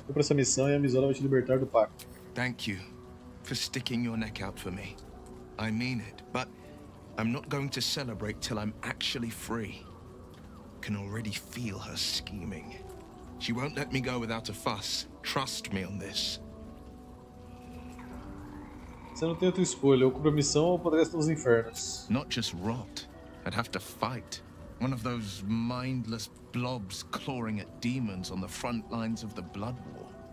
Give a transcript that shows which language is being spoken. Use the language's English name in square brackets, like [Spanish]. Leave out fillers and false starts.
[Portuguese] Cumpra essa missão e a Mizora vai te libertar do pacto. [English] Thank you for sticking your neck out for me. I mean it, but... I'm not going to celebrate till I'm actually free. Can already feel her scheming. She won't let me go without a fuss. Trust me on this. [Portuguese] Você não tem outra escolha. Eu cumpro a missão ou poderia estar nos infernos. [English] Not just rot. I'd have to fight. One of those mindless blobs clawing at demons on the front lines of the blood war.